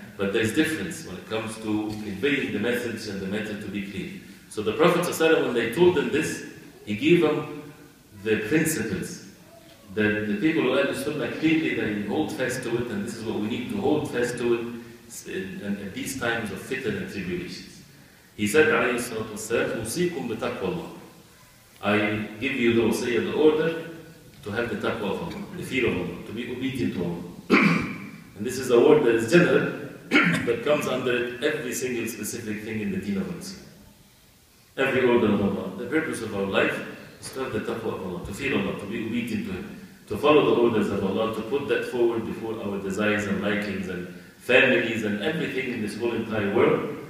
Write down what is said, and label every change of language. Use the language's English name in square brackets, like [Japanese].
[English] But there's difference when it comes to conveying the message and the matter to be clear. So the Prophet ﷺ, when they told them this, he gave them the principles that the people who Ahlus Sunnah clearly that you hold fast to it, and this is what we need to hold fast to it at these times of fitna and tribulations. He said, [Arabic] عليه الصلاة والسلام, أوصيكم بتقوى الله. [English] I give you the wasiyah, the order to have the taqwa of Allah, the fear of Allah, to be obedient to Allah. And this is a word that is general, that comes under it every single specific thing in the deen of Islam. Every order of Allah. The purpose of our life is to have the taqwa of Allah, to fear Allah, to be obedient to Him, to follow the orders of Allah, to put that forward before our desires and likings and families and everything in this whole entire world.